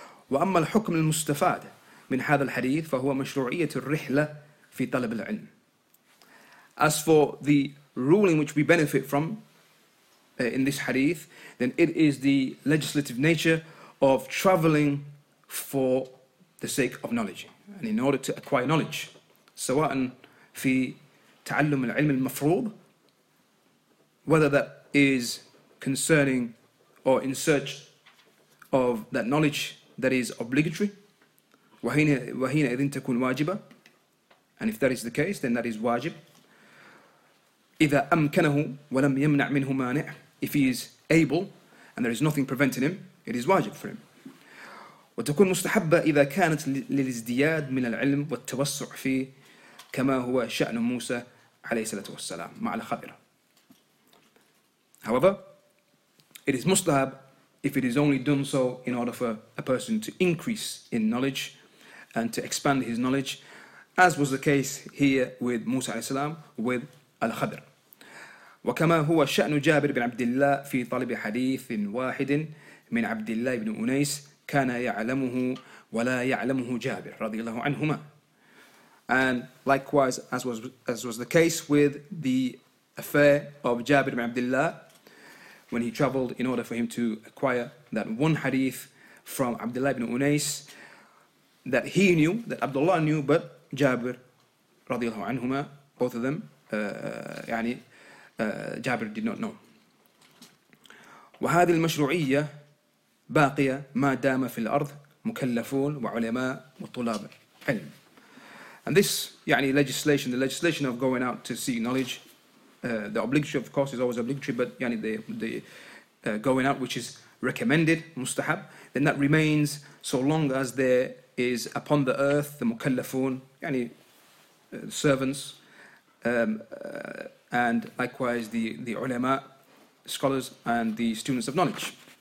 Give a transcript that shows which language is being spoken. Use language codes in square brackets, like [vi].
[ar] وأما الحكم المستفاد من هذا الحديث فهو مشروعية الرحلة في طلب العلم. [en] As for the ruling which we benefit from in this hadith, then it is the legislative nature of traveling for the sake of knowledge, and in order to acquire knowledge. [ar] سواء في تعلم العلم المفروض, [en] whether that is concerning or in search of that knowledge that is obligatory, [ar] وهنا إذن تكون واجبة, [en] and if that is the case, then that is wajib. [ar] إذا أمكنه ولم يمنع منه مانع, [en] if he is able and there is nothing preventing him, it is wajib for him. [ar] وتكون مستحبة إذا كانت للازدياد من العلم والتوسع فيه كما هو شأن موسى عليه الصلاة والسلام مع الخضر. [en] However, it is mustahab if it is only done so in order for a person to increase in knowledge and to expand his knowledge, as was the case here with موسى عليه السلام with الخضر. [ar] وكما هو شأن جابر بن عبد الله في طلب حديث واحد من عبد الله بن أنيس كان يعلمه ولا يعلمه جابر رضي الله عنهما. [en] And likewise, as was the case with the affair of Jabir ibn Abdullah, when he traveled in order for him to acquire that one hadith from Abdullah ibn Unais that he knew, that Abdullah knew, but Jabir radiallahu anhuma, both of them, Jabir did not know. [ar] وهذه المشروعية باقية ما دام في الأرض مكلفون وعلماء وطلاب علم. [en] And this, يعني legislation, the legislation of going out to seek knowledge, the obligatory, of course, is always obligatory, but يعني the going out, which is recommended, مستحب, then that remains so long as there is upon the earth the مكلفون, يعني servants, and likewise the علماء, scholars and the students of knowledge.